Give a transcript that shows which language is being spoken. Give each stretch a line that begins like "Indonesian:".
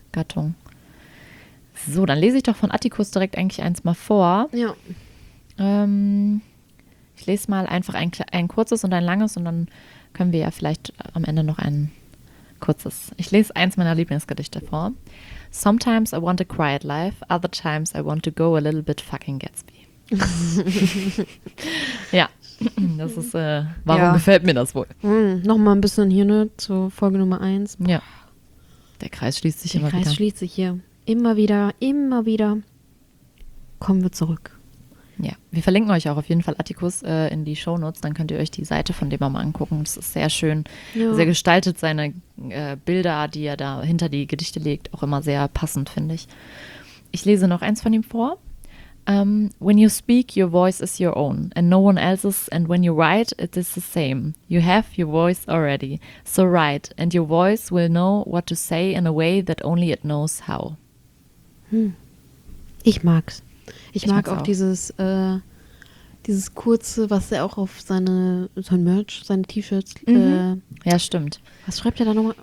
German: Gattung. So, dann lese ich doch von Atticus direkt eigentlich eins mal vor. Ja. Ich lese mal einfach ein kurzes und ein langes und dann können wir ja vielleicht am Ende noch ein kurzes. Ich lese eins meiner Lieblingsgedichte vor.
English: Sometimes I want a quiet life, other times I want to go a little bit fucking Gatsby.
German: Ja, das ist, warum gefällt mir das wohl? Nochmal ein bisschen hier, ne, zur Folge Nummer 1. Ja, der Kreis schließt sich immer wieder. Der Kreis schließt sich hier. Immer wieder kommen wir zurück. Ja, wir verlinken euch auch auf jeden Fall Atticus in die Shownotes, dann könnt ihr euch die Seite von dem auch mal angucken. Das ist sehr schön, sehr gestaltet, seine Bilder, die er da hinter die Gedichte legt, auch immer sehr passend, finde ich. Ich lese noch eins von ihm vor.
English: When you speak, your voice is your own, and no one else's, and when you write, it is the same. You have your voice already, so write, and your voice will know what to say in a way that only it knows how.
German: Ich mag's. Ich mag auch dieses kurze, was er auch auf sein Merch, seine T-Shirts. Ja, stimmt. Was schreibt er da nochmal?